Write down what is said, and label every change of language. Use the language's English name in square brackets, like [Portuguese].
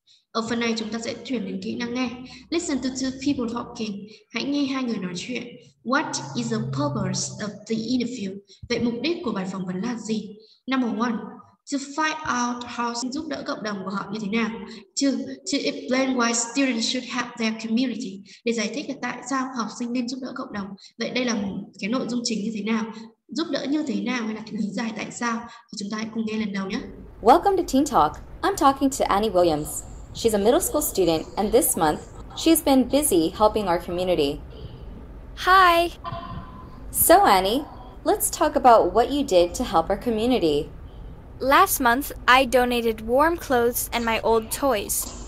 [Vietnamese] Ở phần này chúng ta sẽ chuyển đến kỹ năng nghe. [English] Listen to two people talking. [Vietnamese] Hãy nghe hai người nói chuyện. [English] What is the purpose of the interview? [Vietnamese] Vậy mục đích của bài phỏng vấn là gì? [English] Number one, to find out how to [Vietnamese] giúp đỡ cộng đồng của họ như thế nào. [English] Two, to explain why students should help their community. [Vietnamese] Để giải thích là tại sao học sinh nên giúp đỡ cộng đồng. Vậy đây là cái nội dung chính như thế nào? giúp đỡ như thế nào hay là tình hình dài tại sao? Chúng ta hãy cùng nghe lần đầu nhé. [English] Welcome to Teen Talk. I'm talking to Annie Williams. She's a middle school student, and this month, she's been busy helping our community. Hi! So, Annie, let's talk about what you did to help our community. Last month, I donated warm clothes and my old toys.